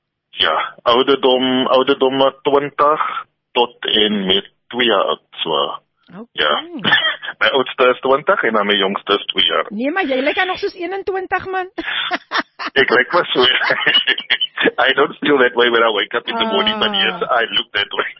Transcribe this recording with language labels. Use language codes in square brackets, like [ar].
[af] Ja, ouderdom 20 tot en met 2 jaar oud. So. Okay. Ja, my oudste is 20 en my jongste is 2 jaar. Nee, maar jy lyk nog soos 21, man. Ek lyk maar so. [en] I don't feel that way when I wake up in the morning, but yes, I look that way.